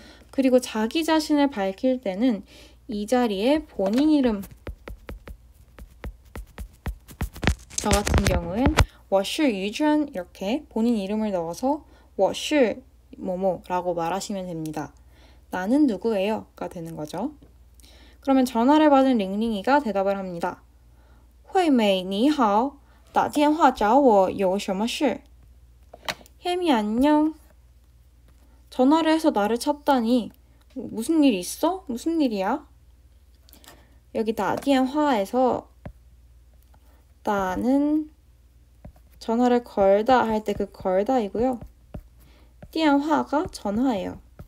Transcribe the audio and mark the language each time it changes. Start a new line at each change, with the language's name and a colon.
Korean: 그리고 자기 자신을 밝힐 때는 이 자리에 본인 이름 저 같은 경우엔 我是 유준 이렇게 본인 이름을 넣어서 我是 뭐뭐라고 말하시면 됩니다. 나는 누구예요?가 되는 거죠. 그러면 전화를 받은 링링이가 대답을 합니다.
Chinese: 惠美, 你好, 打电话找我, 有什么事?
Korean: 혜미, 안녕. 전화를 해서 나를 찾다니, 무슨 일 있어? 무슨 일이야? 여기 打电话에서, 나는 전화를 걸다 할때그 걸다이고요. 电话가 전화예요.